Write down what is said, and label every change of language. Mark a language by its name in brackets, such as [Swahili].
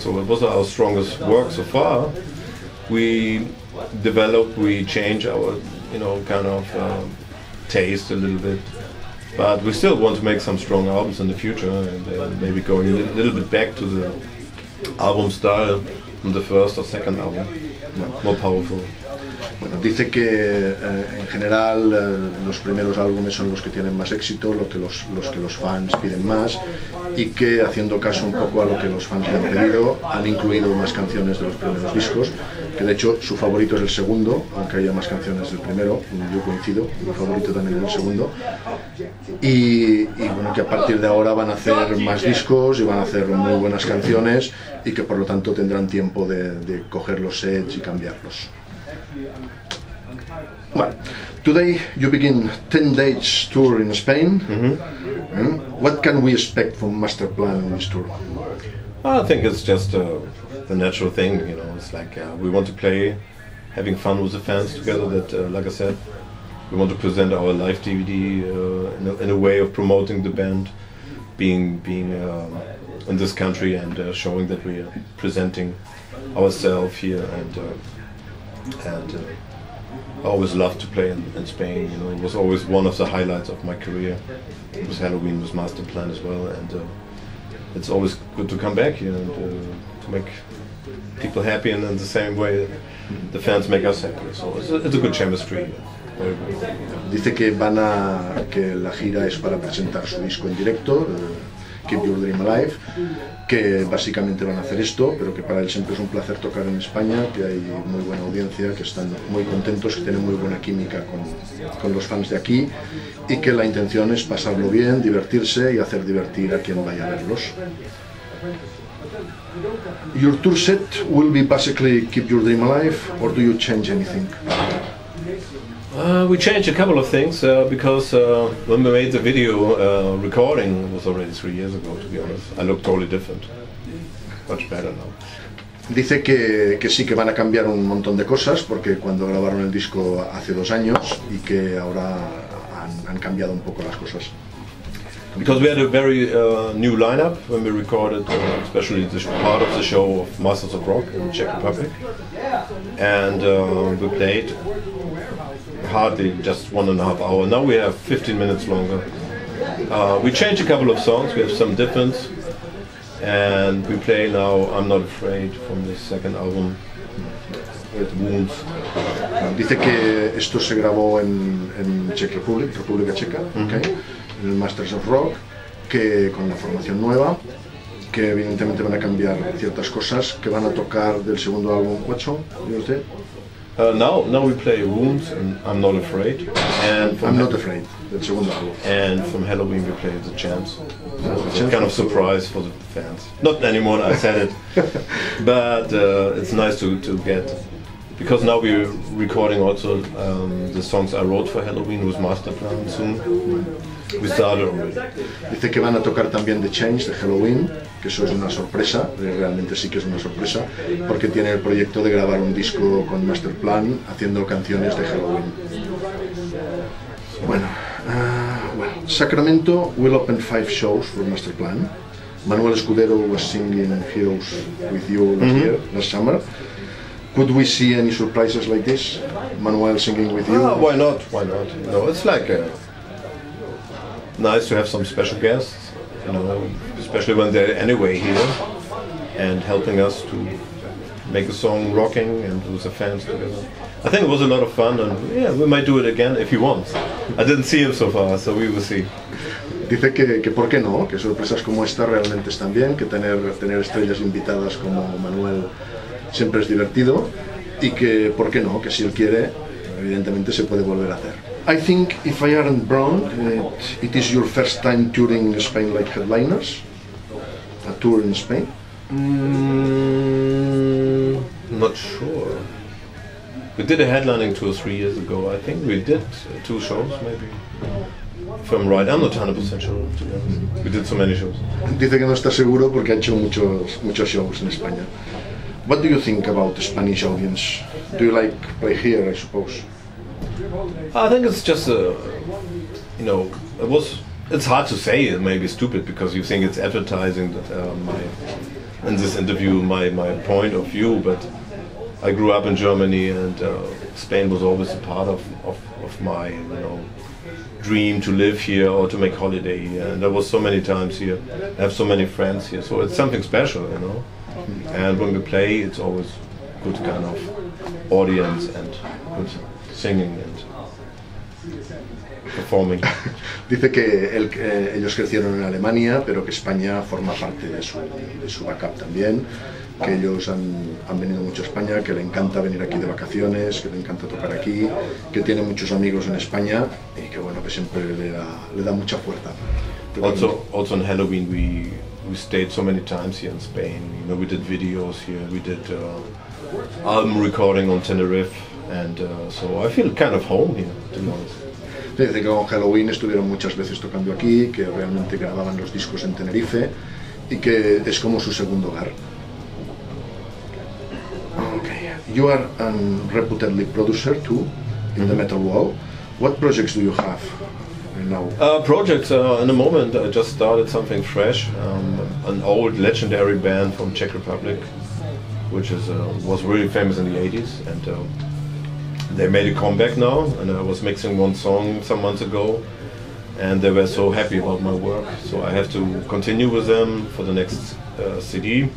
[English] So it was our strongest work so far. We develop, we change our, you know, kind of taste a little bit. But we still want to make some strong albums in the future, and maybe going a little bit back to the album style, on the first or second album. No. More powerful. [Spanish] Bueno, dice que en general los primeros álbumes son los que tienen más éxito, los que los fans piden más, y que haciendo caso un poco a lo que los fans le han pedido, han incluido más canciones de los primeros discos, que de hecho su favorito es el segundo, aunque haya más canciones del primero, yo coincido, mi favorito también es el segundo, y bueno, que a partir de ahora van a hacer más discos y van a hacer muy buenas canciones y que por lo tanto tendrán tiempo de coger los sets y cambiarlos. [English] Well, today you begin 10 days tour in Spain. Mm-hmm. Mm-hmm. What can we expect from Masterplan on this tour? I think it's just the natural thing, you know. It's like we want to play, having fun with the fans together. That, like I said, we want to present our live DVD in a way of promoting the band, being in this country and showing that we are presenting ourselves here and I always loved to play in Spain, you know. It was always one of the highlights of my career. It was Halloween, was Masterplan as well, and it's always good to come back here and to make people happy, and in the same way the fans make us happy. So it's a good chemistry. [Spanish] Dice que van a que la gira es para presentar su disco en directo, Keep Your Dream Alive, que básicamente van a hacer esto, pero que para él siempre es un placer tocar en España, que hay muy buena audiencia, que están muy contentos, que tienen muy buena química con los fans de aquí, y que la intención es pasarlo bien, divertirse y hacer divertir a quien vaya a verlos. [English] Your tour set will be basically Keep Your Dream Alive, or do you change anything? We changed a couple of things because when we made the video recording, it was already 3 years ago, to be honest. I look totally different. Much better now. [Spanish] Dice que sí, que van a cambiar un montón de cosas, porque cuando grabaron el disco hace 2 años, y que ahora han cambiado un poco las cosas. [English] Because we had a very new lineup when we recorded, especially this part of the show of Masters of Rock in the Czech Republic. And we played hardly just 1.5 hour. Now we have 15 minutes longer. We changed a couple of songs, we have some difference, and we play now I'm Not Afraid from the second album, with Wounds. [Spanish] Dice que esto se grabó en Czech Republic, República Checa, okay, mm-hmm. En el Masters of Rock, que con la formación nueva, que evidentemente van a cambiar ciertas cosas, que van a tocar del segundo álbum, [English] ¿what song? [Spanish] ¿Dice usted? [English] Now we play Wounds and I'm Not Afraid. And from I'm Not Afraid, the second album. And from Halloween we play The Chance. It's kind of surprise for the fans. Not anymore, I said it. But it's nice to get. Because now we're recording also the songs I wrote for Halloween with Masterplan soon. We started already. [Spanish] Dice que van a tocar también The Change, de Halloween, que eso es una sorpresa, realmente sí que es una sorpresa, porque tiene el proyecto de grabar un disco con Masterplan haciendo canciones de Halloween. Bueno, [English] Sacramento will open 5 shows for Masterplan. Manuel Escudero was singing Heroes with you last mm-hmm. year, last summer. Could we see any surprises like this? Manuel singing with you? Why not? Why not? No, it's like nice to have some special guests, you know, especially when they're anyway here and helping us to make a song rocking and with the fans together. I think it was a lot of fun, and yeah, we might do it again if he wants. I didn't see him so far, so we will see. [Spanish] Dice que por qué no, que sorpresas como esta realmente están bien, que tener estrellas invitadas como Manuel siempre es divertido, y que por qué no, que si él quiere, evidentemente se puede volver a hacer. [English] I think if I aren't wrong, it is your first time touring Spain like headliners, a tour in Spain. Not sure. We did a headlining tour 3 years ago. I think we did 2 shows, maybe. If I'm right, I'm not 100% sure. We did so many shows. [Spanish] Dice que no está seguro porque ha hecho muchos shows en España. [English] What do you think about the Spanish audience? Do you like play here, I suppose? I think it's just it's hard to say, it may be stupid because you think it's advertising my point of view, but I grew up in Germany and Spain was always a part of my, you know, dream to live here or to make holiday here, and I was so many times here, I have so many friends here, so it's something special, you know. And when we play, it's always good kind of audience and good singing and performing. [Spanish] Dice que ellos crecieron en Alemania, pero que España forma parte de su backup también. Que ellos han venido mucho a España, que le encanta venir aquí de vacaciones, que le encanta tocar aquí, que tiene muchos amigos en España y que bueno, que siempre le da mucha fuerza. [English] Also on Halloween we stayed so many times here in Spain. You know, we did videos here, we did album recording on Tenerife, and so I feel kind of home here, to be honest. [Spanish] Dice que con Halloween estuvieron muchas veces tocando aquí, que realmente grababan los discos en Tenerife y que es como su segundo hogar. [English] Okay. You are a reputedly producer too in the metal world. What projects do you have now? Projects, in the moment I just started something fresh, an old legendary band from Czech Republic, which is was really famous in the 80s, and they made a comeback now, and I was mixing one song some months ago, and they were so happy about my work, so I have to continue with them for the next CD.